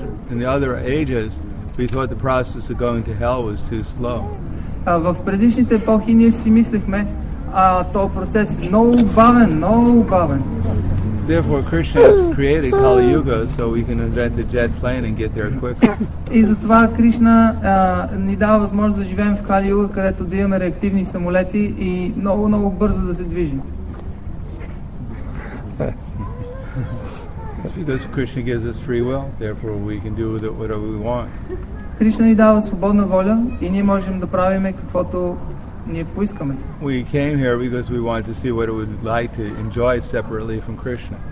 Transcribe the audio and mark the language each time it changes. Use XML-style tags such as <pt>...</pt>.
<en>In the other ages, we thought the process of going to hell was too slow.</en> <bg>В предишните епохи ние си мислихме, този процес е много бавен.</bg> <en>Therefore, Krishna has created Kali Yuga so we can invent a jet plane and get there quicker.</en> <bg>И затова Кришна ни дава възможност да живеем в Кали Юга, където да имаме реактивни самолети и много, много бързо да се движим.</bg> <en>Because Krishna gives us free will, therefore we can do with it whatever we want.</en> <bg>Кришна ни дава свободна воля и ние можем да правим каквото ние поискаме.</bg> <en>We came here because we wanted to see what it would like to enjoy separately from Krishna.</en>